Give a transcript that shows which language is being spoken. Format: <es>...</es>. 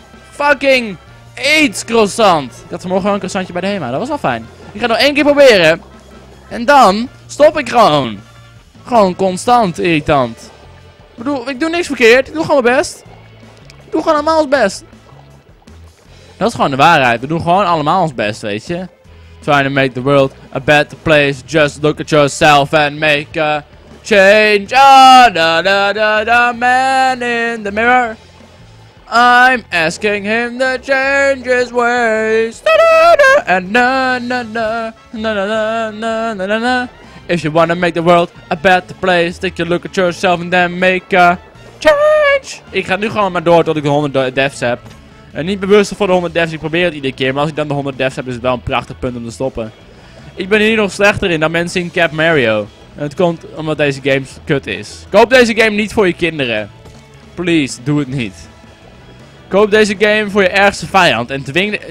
<en>Fucking AIDS croissant.</en> <nl>Ik had vanmorgen wel een croissantje bij de HEMA, dat was wel fijn. Ik ga het nog één keer proberen. En dan stop ik gewoon. Gewoon constant irritant. Ik bedoel, ik doe niks verkeerd, ik doe gewoon mijn best. Ik doe gewoon allemaal ons best. Dat is gewoon de waarheid, we doen gewoon allemaal ons best, weet je.</nl> <en>Trying to make the world a better place. Just look at yourself and make a change. Da-da-da-da, man in the mirror. I'm asking him to change his ways. Da-da-da, and na-na-na-na-na-na-na-na-na. If you wanna make the world a better place, take a look at yourself and then make a change.</en> <nl>Ik ga nu gewoon maar door tot ik 100 deaths heb. En niet bewust voor de 100 devs, ik probeer het iedere keer. Maar als ik dan de 100 devs heb, is het wel een prachtig punt om te stoppen. Ik ben hier nog slechter in dan mensen in Cap Mario. En het komt omdat deze game kut is. Koop deze game niet voor je kinderen. Please, doe het niet. Koop deze game voor je ergste vijand. En dwing...</nl>